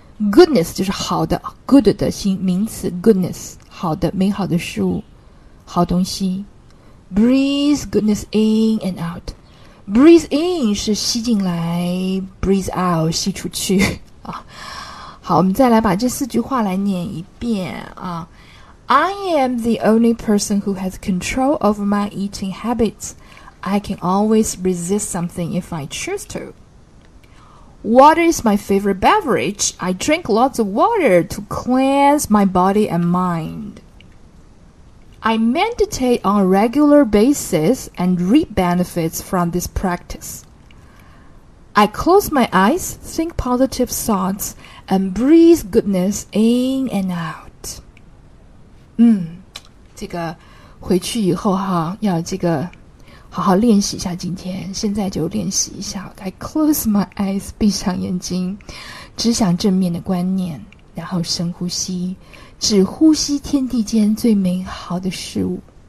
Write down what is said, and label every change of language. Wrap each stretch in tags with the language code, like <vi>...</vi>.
<zh>goodness 就是好的， good 的新名词 goodness， 好的美好的事物好东西。</zh> <en>breathe goodness in and out。 Breathe in 是吸进来， breathe out 吸出去啊。</en> <zh>好，我们再来把这四句话来念一遍啊。</zh> <en>I am the only person who has control over my eating habits. I can always resist something if I choose to. Water is my favorite beverage. I drink lots of water to cleanse my body and mind. I meditate on a regular basis and reap benefits from this practice. I close my eyes, think positive thoughts, and breathe goodness in and out.</en> <zh>这个回去以后哈，要这个好好练习一下今天，现在就练习一下。 I close my eyes, 闭上眼睛，只想正面的观念，然后深呼吸。只呼吸天地间最美好的事物。</zh>